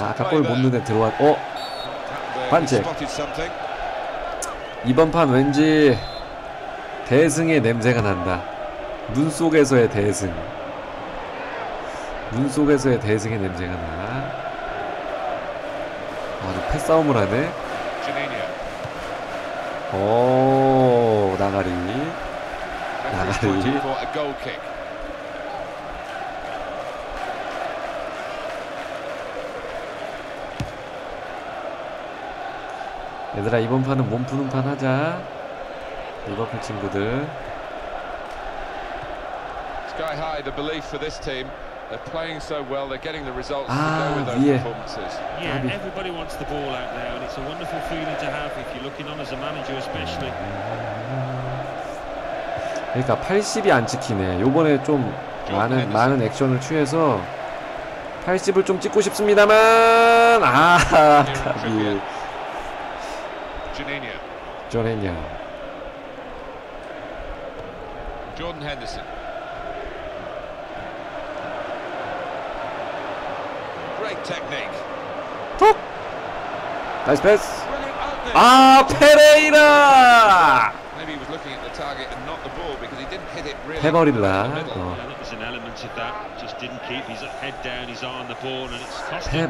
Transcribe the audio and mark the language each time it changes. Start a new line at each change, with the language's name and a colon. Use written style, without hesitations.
Korean: 골 못 넣는데 들어왔 어? 반칙 이번 판 왠지 대승의 냄새가 난다 눈 속에서의 대승 눈 속에서의 대승의 냄새가 나 아주 패싸움을 하네 오 나가리 나가리 얘들아 이번 판은 몸 푸는 판 하자 리버풀 친구들
English: Sky high the belief for this team they're playing so well they're getting the results to go with those performances yeah everybody wants the ball out there and it's a wonderful feeling to have if you're looking on as a manager especially
Korean: 그러니까 80이 안 찍히네 요번에 좀 많은 액션을 취해서 80을 좀 찍고 싶습니다만 아 가비 조네냐
English: 조던 헨더슨 Great technique
Korean: 톡 나이스 패스 아 페레이라
English: Maybe he was looking at the target and not the ball because he didn't hit it really
Korean: 해버릴라 어
English: There's an element of that just didn't keep his head down his eye on the ball and it's cost him